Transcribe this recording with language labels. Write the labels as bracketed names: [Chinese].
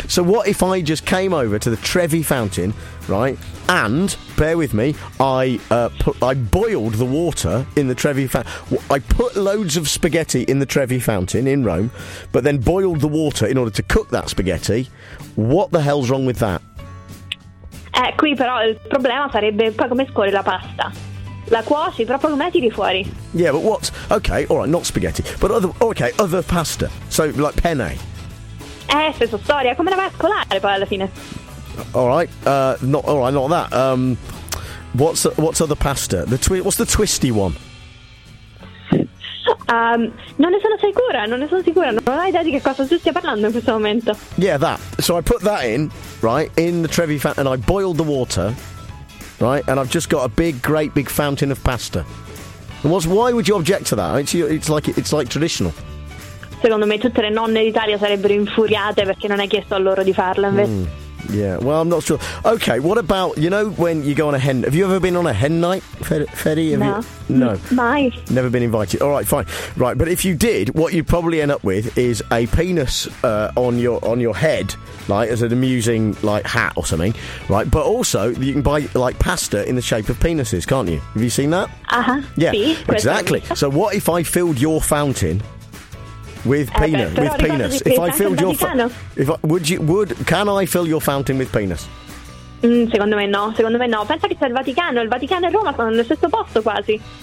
[English] So what if I just came over to the Trevi Fountain, right, and, bear with me, I boiled the water in the Trevi Fountain. I put loads of spaghetti in the Trevi Fountain in Rome, but then boiled the water in order to cook that spaghetti. What the hell's wrong with that? [Italian] Qui però il problema sarebbe poi come scuoti la pasta. La cuoci, proprio come tiri fuori. [English] Yeah, but what? Okay, all right, not spaghetti, but other pasta. So, like penne. [Italian] Stessa storia, come la vai a scolare poi alla fine? [English] All right, not that. What's other pasta? What's the twisty one? [Italian] Non ne sono sicura, non ho idea di che cosa tu stia parlando in questo momento. [English] Yeah, that. So I put that in, right, in the Trevi Fountain, and I boiled the water, right, and I've just got a big, great big fountain of pasta. And why would you object to that? It's like traditional. [Italian] Secondo me tutte le nonne d'Italia sarebbero infuriate perché non hai chiesto a loro di farlo invece. [English] Yeah, well, I'm not sure. Okay, what about, you know, when you go on a hen... Have you ever been on a hen night, Ferry? No. You, [Italian] no. Mai. [English] Never been invited. All right, fine. Right, but if you did, what you'd probably end up with is a penis on your head, like, as an amusing, like, hat or something, right? But also, you can buy, like, pasta in the shape of penises, can't you? Have you seen that? Uh-huh. Yeah, sí, exactly. So what if I filled your fountain... With penis, with penis. If I filled your, can I fill your fountain with penis? [Italian] Secondo me no. Pensa che c'è il Vaticano e Roma sono nello stesso posto quasi.